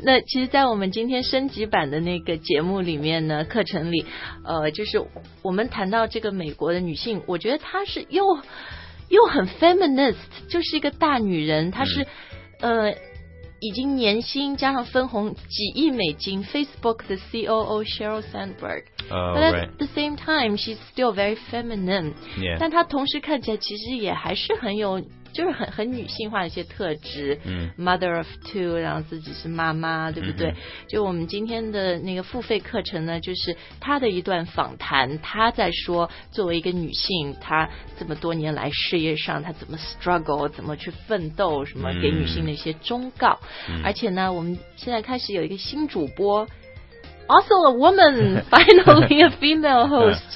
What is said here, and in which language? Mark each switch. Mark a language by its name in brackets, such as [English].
[Chinese] 那其实，在我们今天升级版的那个节目里面呢，课程里，就是我们谈到这个美国的女性，我觉得她是又很 feminist， 就是一个大女人，她是、已经年薪加上分红几亿美金 ，Facebook 的 COO Sheryl Sandberg。 [English] But at the same time, she's still very feminine. Yeah. [Chinese] 但她同时看起来其实也还是很有。就是很女性化的一些特质、 [English] mother of two [Chinese] 然后自己是妈妈对不对、就我们今天的那个付费课程呢就是她的一段访谈她在说作为一个女性她这么多年来事业上她怎么 struggle 怎么去奋斗什么给女性的一些忠告、而且呢我们现在开始有一个新主播 [English] also a woman finally a female host